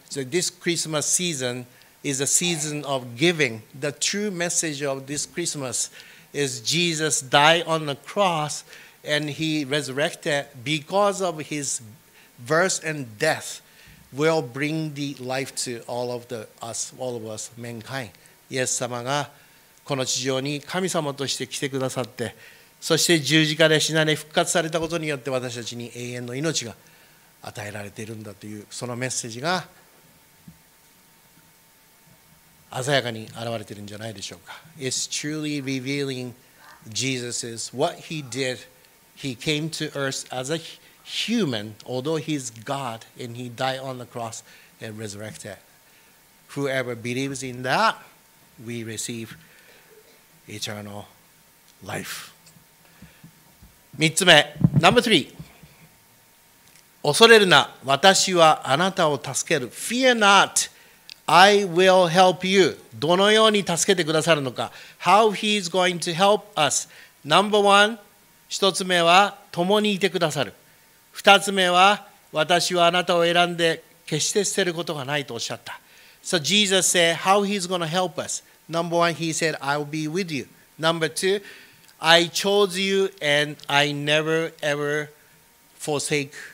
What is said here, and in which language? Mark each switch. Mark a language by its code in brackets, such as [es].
[en] So this Christmas season is a season of giving. The true message of this Christmas is Jesus died on the cross and he resurrected because of his birth and death will bring the life to all of the us, all of us, mankind. [ja] イエス様がこの地上に神様として来てくださって、そして十字架で死なれ復活されたことによって私たちに永遠の命が与えられているんだというそのメッセージが鮮やかに現れているんじゃないでしょうか。 [en] It's truly revealing Jesus is what he did. He came to earth as a human, although he's God, and he died on the cross and resurrected. Whoever believes in that, we receive eternal life. [ja] 3つ目、 [en] Number 3、 [ja] 恐れるな、私はあなたを助ける。 [en] Fear not, I will help you. [ja] どのように助けてくださるのか。 [en] How he is going to help us. Number one, [ja] 一つ目は、共にいてくださる。二つ目は、私はあなたを選んで、決して捨てることがないとおっしゃった。 [en] So Jesus said, how he is going to help us. Number one, he said, I will be with you. Number two, I chose you and I never ever forsake you.